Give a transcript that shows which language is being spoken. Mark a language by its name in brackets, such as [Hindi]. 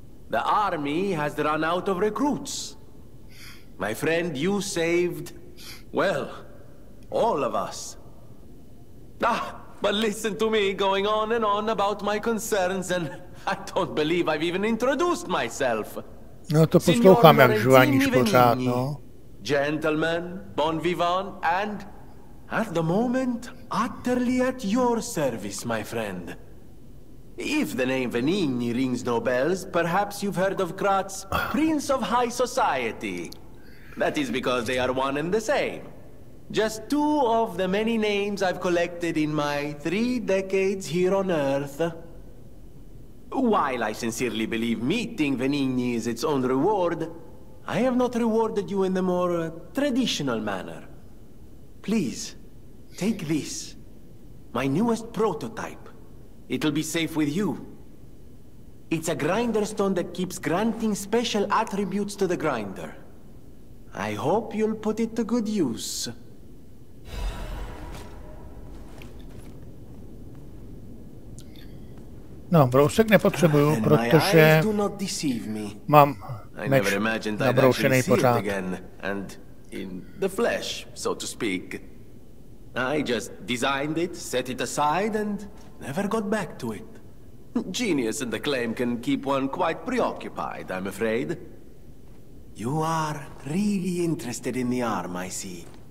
[English] The army has run out of recruits. My friend, you saved, well, all of us. Ah, but listen to me going on and on about my concerns, and I don't believe I've even introduced myself. [Czech] No, to posloucháme, jak žvaníš pořád, no. [English] Gentlemen, bon vivant, and at the moment, utterly at your service, my friend. If the name Venini rings no bells, perhaps you've heard of Kratz, Prince of High Society. That is because they are one and the same. Just two of the many names I've collected in my 3 decades here on Earth. While I sincerely believe meeting Venini is its own reward, I have not rewarded you in the more traditional manner. Please, take this. My newest prototype. It'll be safe with you. It's a grinder stone that keeps granting special attributes to the grinder. I hope you'll put it to good use. [Czech] No, brousek nepotřebuju, protože mám meč nabroušený pořád. [English] And in the flesh, so to speak. I just designed it, set it aside and never got back to it. Genius and acclaim can keep one quite preoccupied, I'm afraid. You are really interested in the arm, I see.